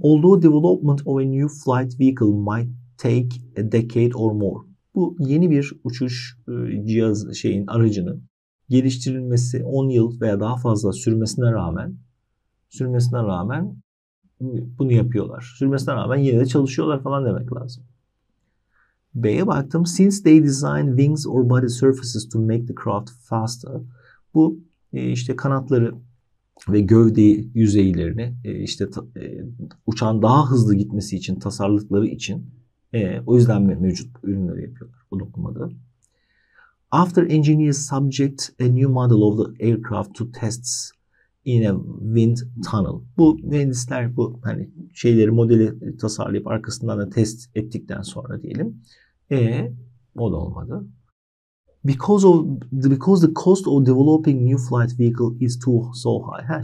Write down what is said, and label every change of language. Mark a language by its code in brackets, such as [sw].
[en] Although development of a new flight vehicle might take a decade or more. [tr] Bu yeni bir uçuş aracının geliştirilmesi 10 yıl veya daha fazla sürmesine rağmen bunu yapıyorlar. Sürmesine rağmen yine de çalışıyorlar falan demek lazım. B'ye baktım. [en] Since they design wings or body surfaces to make the craft faster. [tr] Bu işte kanatları ve gövde yüzeylerini işte uçağın daha hızlı gitmesi için tasarladıkları için o yüzden mevcut ürünleri yapıyorlar. Bu dokunmadı. [en] After engineers subject a new model of the aircraft to tests in a wind tunnel. [tr] Bu mühendisler bu hani şeyleri modeli tasarlayıp arkasından da test ettikten sonra diyelim. O da olmadı. [en] Because the cost of developing new flight vehicle is too so high.